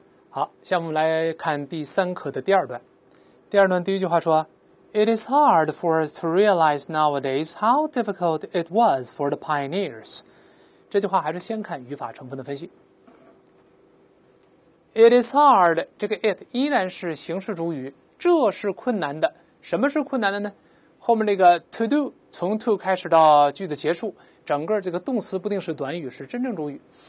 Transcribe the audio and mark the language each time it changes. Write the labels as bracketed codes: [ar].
[zh] 好，下面我们来看第三课的第二段。第二段第一句话说 [en] It is hard for us to realize nowadays how difficult it was for the pioneers. [zh] 这句话还是先看语法成分的分析。 [en] It is hard, [zh] 这个 it 依然是形式主语，这是困难的。什么是困难的呢？后面那个 to do, 从 to 开始到句子结束，整个这个动词不定式短语是真正主语。